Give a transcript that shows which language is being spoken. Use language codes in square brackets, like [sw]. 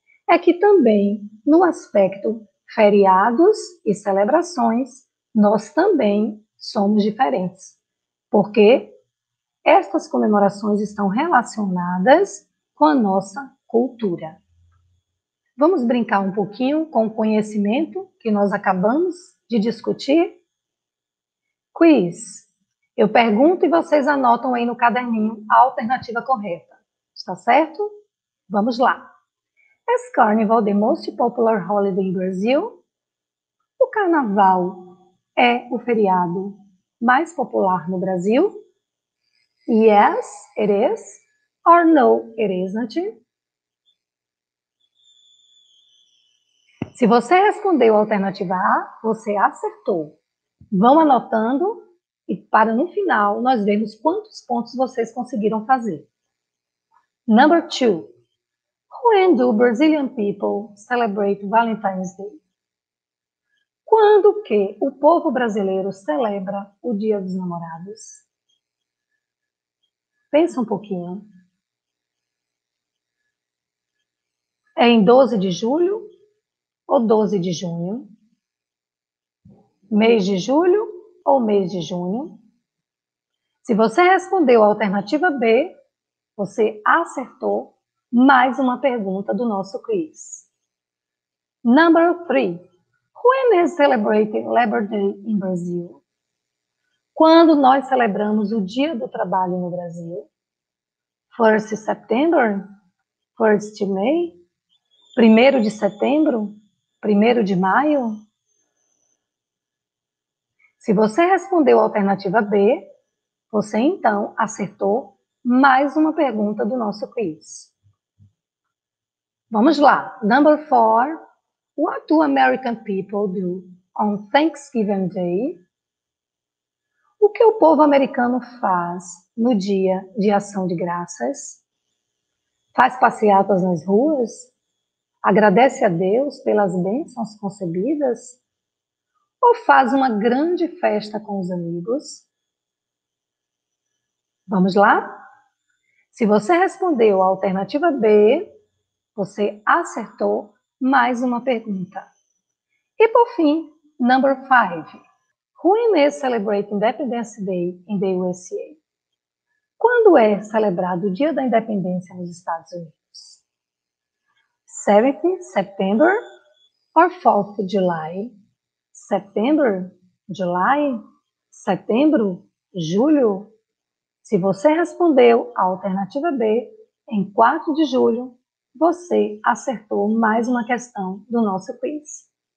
[pt] é que também, no aspecto feriados e celebrações, nós também somos diferentes, porque estas comemorações estão relacionadas com a nossa cultura. Vamos brincar um pouquinho com o conhecimento que nós acabamos de discutir? Quiz. Eu pergunto e vocês anotam aí no caderninho a alternativa correta. Está certo? Vamos lá. [en] Is Carnival the most popular holiday in Brazil? [pt] O carnaval é o feriado mais popular no Brasil? [en] Yes, it is. Or no, it isn't. [pt] Se você respondeu a alternativa A, você acertou. Vão anotando e para no final nós vemos quantos pontos vocês conseguiram fazer. [en] Number 2. When do Brazilian people celebrate Valentine's Day? [pt] Quando que o povo brasileiro celebra o Dia dos Namorados? Pensa um pouquinho. É em 12 de julho ou 12 de junho? Mês de julho ou mês de junho? Se você respondeu a alternativa B, você acertou mais uma pergunta do nosso quiz. [en] Number 3. When is celebrating Labor Day in Brazil? [pt] Quando nós celebramos o Dia do Trabalho no Brasil? [en] 1st September? 1st May? [pt] 1º de setembro? 1º de maio? Se você respondeu a alternativa B, você então acertou mais uma pergunta do nosso quiz. Vamos lá. [en] Number 4. What do American people do on Thanksgiving Day? [pt] O que o povo americano faz no dia de ação de graças? Faz passeatas nas ruas? Agradece a Deus pelas bênçãos concebidas? Ou faz uma grande festa com os amigos? Vamos lá? Se você respondeu a alternativa B, você acertou. Mais uma pergunta. E por fim, [en] number 5. When is celebrating Independence Day in the USA? [pt] Quando é celebrado o Dia da Independência nos Estados Unidos? [en] 7th September or 4th July? September, July, [pt] setembro, julho? Se você respondeu a alternativa B, em 4 de julho, você acertou mais uma questão do nosso quiz.